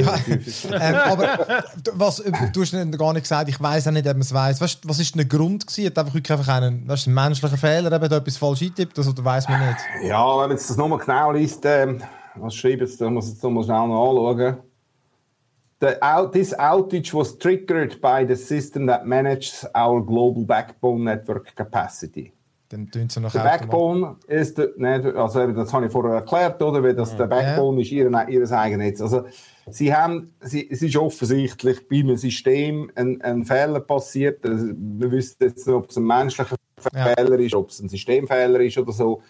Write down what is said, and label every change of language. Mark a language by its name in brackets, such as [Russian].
[German] Ja. aber du hast gar nicht gesagt, ich weiss auch nicht, ob man es weiss. Weißt, was war denn der Grund? Hat einfach einen, weißt, einen menschlichen Fehler, eben, da etwas falsch eingetippt, oder weiss man nicht? Ja, wenn man das nochmal genau liest, was schreibt es, da muss ich es nochmal schnell noch anschauen. [English] This outage was triggered by the system that manages our global backbone network capacity. [German] Dann tun sie noch der Backbone ist, also das habe ich vorher erklärt, oder? Weil das der Backbone ist ihr eigenes Netz. Also, es ist offensichtlich bei einem System ein Fehler passiert. Also, wir wissen jetzt nicht, ob es ein menschlicher Fehler ist, ob es ein Systemfehler ist oder so.